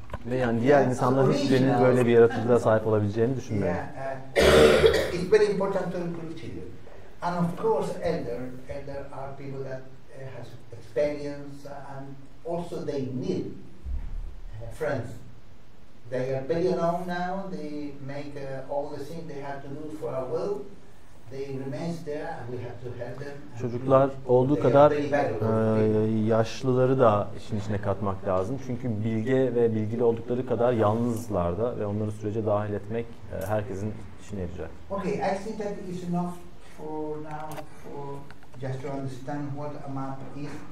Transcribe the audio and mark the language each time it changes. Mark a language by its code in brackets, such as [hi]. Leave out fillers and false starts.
[tr] Ve yani diğer insanlar hiçbirinin böyle bir yaratıcılığa sahip olabileceğini düşünmüyorum. [en] It's very important to include children. And of course elder are people that has experience and also they need friends. They are very alone now. They make all the things they have to do for our world. They remain there, and we have to help them. [tr] Çocuklar olduğu kadar yaşlıları da işin içine katmak lazım. Çünkü bilge ve bilgili oldukları kadar yalnızlar da ve onları sürece dahil etmek herkesin işine yarayacak. [en] Okay, I think that is enough for now, for just to understand what a map is.